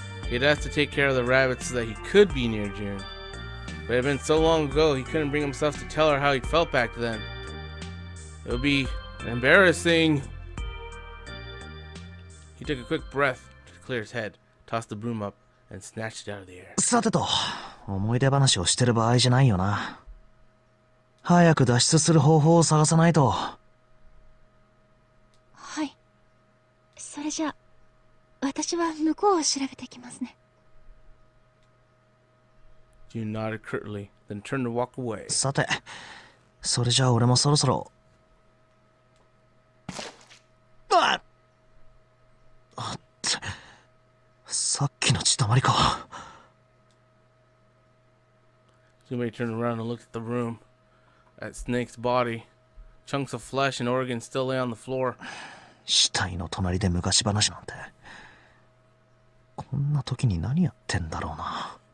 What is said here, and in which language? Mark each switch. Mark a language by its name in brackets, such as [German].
[English] He'd asked to take care of the rabbits so that he could be near June. But it had been so long ago, he couldn't bring himself to tell her how he felt back then. It would be embarrassing. He took a quick breath to clear his head, tossed the broom up, and snatched it out of the air. [Japanese] さてと、思い出話をしてる場合じゃないよな。早く脱出する方法を探さないと。はい。それじゃ。私は向こうを調べてきますね。 [English] June nodded curtly, then turned to walk away. [Japanese] さて、それじゃあ俺もそろそろ。あっ、あっ、さっきの血だまりか。 [English] Junpei turned around and looked at the room. At Snake's body. Chunks of flesh and organs still lay on the floor. [Japanese] 死体の隣で昔話なんて。こんな時に何やってんだろうな。